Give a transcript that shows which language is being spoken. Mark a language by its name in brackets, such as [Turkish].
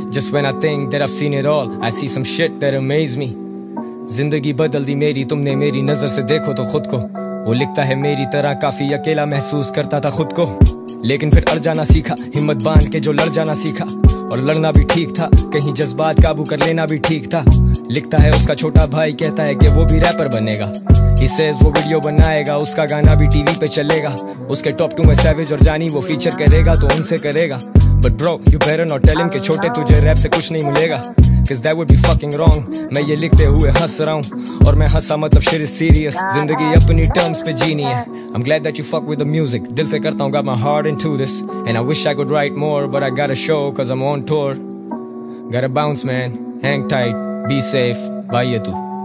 [English] Just when I think that I've seen it all, I see some shit that amaze me. [Hindi] जिंदगी बदल दी मेरी, तुमने मेरी नजर से देखो तो खुद को। वो लिखता है मेरी तरह काफी अकेला महसूस करता था खुद को, लेकिन फिर अड़ जाना सीखा, हिम्मत बांध के जो लड़ जाना सीखा। और लड़ना भी ठीक था, कहीं जज्बात काबू कर लेना भी ठीक था। लिखता है उसका छोटा भाई, कहता है कि वो भी रैपर बनेगा। [English] He says [Hindi] वो वीडियो बनाएगा, उसका गाना भी टीवी पे चलेगा। उसके टॉप टू में सैवेज और जानी वो फीचर करेगा तो उनसे करेगा। [English] But bro, you better not tell him [Hindi] के छोटे तुझे रैप से कुछ नहीं मिलेगा। [English] Cause that would be fucking wrong. [Hindi] मैं ये लिखते हुए हंस रहा हूँ, और मैं हंसा मतलब [English] shit is serious. [Hindi] जिंदगी अपनी terms पे जीनी है। [English] I'm glad that you fuck with the music. [Hindi] दिल से करता हूँ, [English] got my heart into this. And I wish I could write more, but I got a show 'cause I'm on tour. Gotta bounce, man. Hang tight. Be safe. Bye ye tu.